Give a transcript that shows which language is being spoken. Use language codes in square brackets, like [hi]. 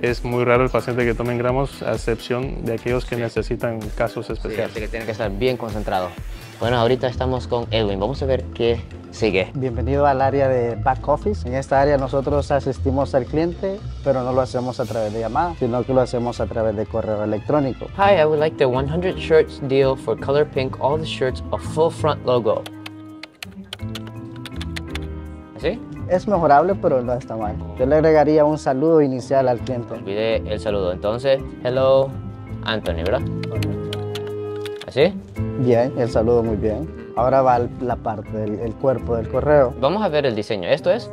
[es] Es muy raro el paciente que tome en gramos, a excepción de aquellos que necesitan casos especiales. Sí, así que tiene que estar bien concentrado. Bueno, ahorita estamos con Edwin. Vamos a ver qué sigue. Bienvenido al área de back office. En esta área nosotros asistimos al cliente, pero no lo hacemos a través de llamada, sino que lo hacemos a través de correo electrónico. [en] Hi, I would like the 100 shirts deal for color pink, all the shirts, a full front logo. [es] ¿Sí? Es mejorable, pero no está mal. Yo le agregaría un saludo inicial al cliente. Olvidé el saludo. Entonces, hello, Anthony, ¿verdad? ¿Así? Bien, el saludo muy bien. Ahora va la parte del el cuerpo del correo. Vamos a ver el diseño. ¿Esto es?